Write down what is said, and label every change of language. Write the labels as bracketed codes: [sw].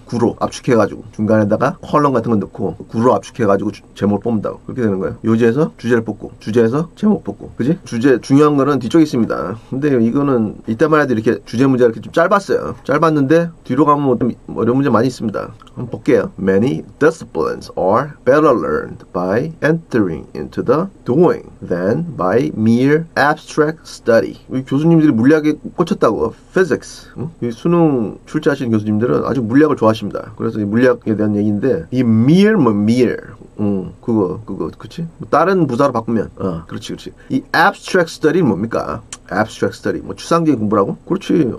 [ko] 구로 압축해가지고 중간에다가 컬럼 같은 거 넣고 구로 압축해가지고 제목을 뽑는다고. 그렇게 되는 거예요. 요지에서 주제를 뽑고 주제에서 제목 뽑고. 그지? 주제 중요한 거는 뒤쪽에 있습니다. 근데 이거는 이때만 해도 이렇게 주제 문제가 이렇게 좀 짧았어요. 짧았는데 뒤로 가면 좀 어려운 문제 많이 있습니다. 한번 볼게요. [en] Many disciplines are better learned by entering into the doing than by mere abstract study. [ko] 우리 교수님들이 물리학에 꽂혔다고. [en] Physics. [ko] 응? 이 수능 출제하시는 교수님들은 아주 물리학을 좋아하십니다. 그래서 이 물리학에 대한 얘기인데 이 mere 뭐 mere. 그거 그렇지? 뭐 다른 부사로 바꾸면. 그렇지 그렇지. 이 abstract study 뭡니까? Abstract study. 뭐 추상적인 공부라고? 그렇지.